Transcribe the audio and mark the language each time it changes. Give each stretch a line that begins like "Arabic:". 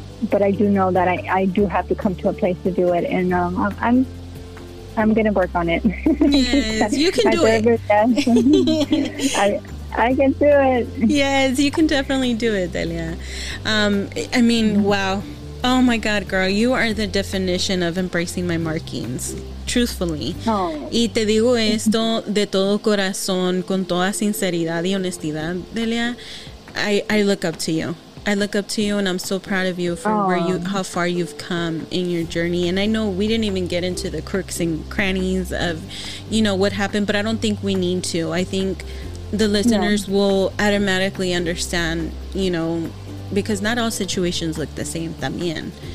English: But I do know that I do have to come to a place to do it, and I'm gonna work on it. Yes, you can do it. I can do it. Yes, you can definitely do it, Delia. I mean, wow, Oh my God, girl, you are the definition of embracing my markings, truthfully. Oh.
Spanish: Y te digo esto de todo corazón, con toda sinceridad y honestidad, Delia.
English: I look up to you. I look up to you, and I'm so proud of you for how far you've come in your journey. And I know we didn't even get into the crooks and crannies of, you know, what happened, but I don't think we need to. I think the listeners will automatically understand, you know, because not all situations look the same también.